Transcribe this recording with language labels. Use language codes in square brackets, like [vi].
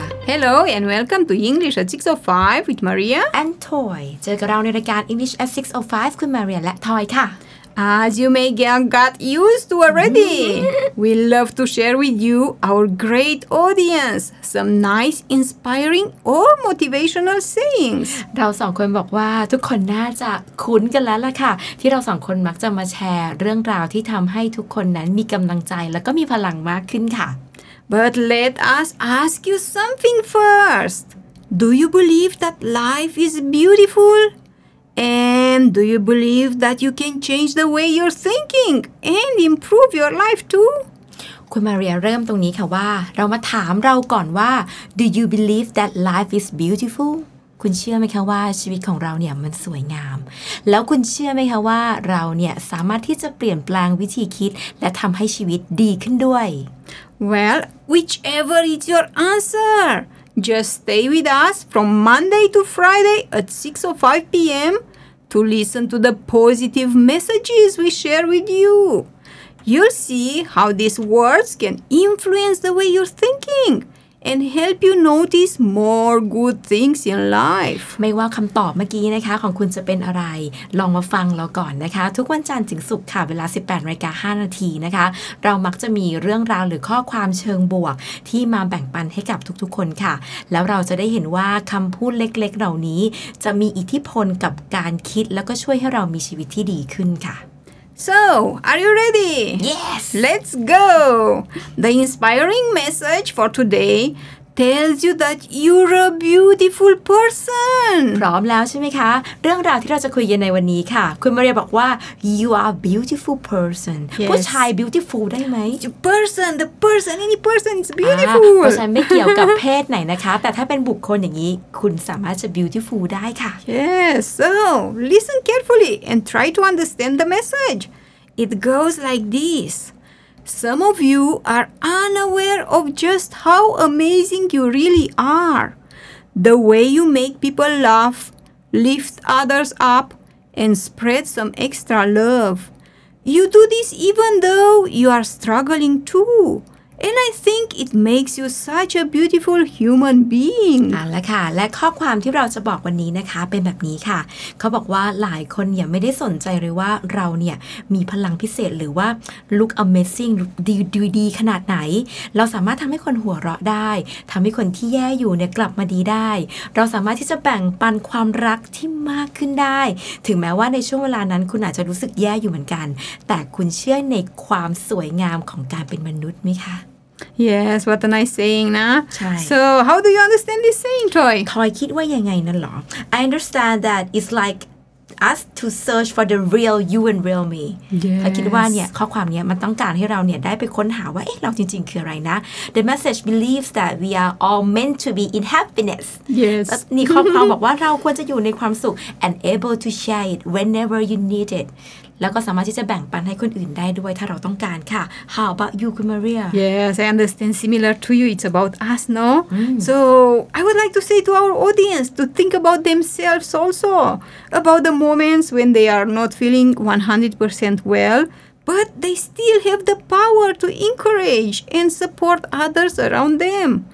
[en] Hello and welcome to English at 6:05 with Maria and Toy. [th] เจอกับเราในรายการ English at 6:05 คุณ Maria และ Toy ค่ะ [en] As you may get used to already, we love to share with you, our great audience, some nice, inspiring, or motivational sayings. [th] เราสองคนบอกว่าทุกคนน่าจะคุ้นกันแล้วล่ะค่ะที่เราสองคนมักจะมาแชร์เรื่องราวที่ทำให้ทุกคนนั้นมีกำลังใจแล้วก็มีพลังมากขึ้นค่ะ [en] But let us ask you something first. Do you believe that life is beautiful? And do you believe that you can change the way you're thinking and improve your life too? [th] คุณมาเรียเริ่มตรงนี้ค่ะว่าเรามาถามเราก่อนว่า [en] Do you believe that life is beautiful? [th] คุณเชื่อไหมคะว่าชีวิตของเราเนี่ยมันสวยงามแล้วคุณเชื่อไหมคะว่าเราเนี่ยสามารถที่จะเปลี่ยนแปลงวิธีคิดและทำให้ชีวิตดีขึ้นด้วย [en] Well, whichever is your answerJust stay with us from Monday to Friday at 6:05 p.m. to listen to the positive messages we share with you. You'll see how these words can influence the way you're thinking and help you notice more good things in life. [th] ไม่ว่าคำตอบเมื่อกี้นะคะของคุณจะเป็นอะไรลองมาฟังเราก่อนนะคะทุกวันจันทร์ถึงศุกร์ค่ะเวลา 18:05 นะคะเรามักจะมีเรื่องราวหรือข้อความเชิงบวกที่มาแบ่งปันให้กับทุกๆคนค่ะแล้วเราจะได้เห็นว่าคำพูดเล็กๆเหล่านี้จะมีอิทธิพลกับการคิดแล้วก็ช่วยให้เรามีชีวิตที่ดีขึ้นค่ะ [en] So, are you ready? Yes! Let's go! The inspiring message for today tells you that you're a beautiful person. [th] พร้อมแล้วใช่ไหมคะเรื่องราวที่เราจะคุยกันในวันนี้ค่ะคุณมาเรียบอกว่า [en] you are a beautiful person. Yes. [th] ผู้ชาย beautiful ได้ไหม [en] Person, the person, any person is beautiful. [th] ผู้ชายไม่เกี่ยวกับเพศไหนนะคะแต่ถ้าเป็นบุคคลอย่างนี้คุณสามารถจะ beautiful ได้ค่ะ [en] Yes, so listen carefully and try to understand the message. It goes like this. Some of you are unaware of just how amazing you really are. The way you make people laugh, lift others up, and spread some extra love. You do this even though you are struggling too. And I think it makes you such a beautiful human being. [th] อ่ะละค่ะและข้อความที่เราจะบอกวันนี้นะคะเป็นแบบนี้ค่ะเขาบอกว่าหลายคนเนี่ยไม่ได้สนใจเลยว่าเราเนี่ยมีพลังพิเศษหรือว่า [en] look amazing [th] ดีขนาดไหนเราสามารถทำให้คนหัวเราะได้ทำให้คนที่แย่อยู่เนี่ยกลับมาดีได้เราสามารถที่จะแบ่งปันความรักที่มากขึ้นได้ถึงแม้ว่าในช่วงเวลานั้นคุณอาจจะรู้สึกแย่อยู่เหมือนกันแต่คุณเชื่อในความสวยงามของการเป็นมนุษย์ไหมคะ [en] Yes, what a nice saying, na. So, how do you understand this saying, Toy? Toy, [th] คิดว่ายังไงนั่นหรอ [en] I understand that it's like us to search for the real you and real me. Yes. [th] I คิดว่าเนี่ยข้อความเนี้ยมันต้องการให้เราเนี่ยได้ไปค้นหาว่าเอ๊ะเราจริงๆคืออะไรนะ [en] The message believes that we are all meant to be in happiness. [th] Yes. นี่ข้อความบอกว่าเราควรจะอยู่ในความสุข [en] and able to share it whenever you need it. [th] แล้วก็สามารถที่จะแบ่งปันให้คนอื่นได้ด้วยถ้าเราต้องการค่ะ [en] How about you, Maria? Yes, I understand similar to you. It's about us, no? Mm. So, I would like to say to our audience to think about themselves also. About the moments when they are not feeling 100% well, but they still have the power to encourage and support others around them.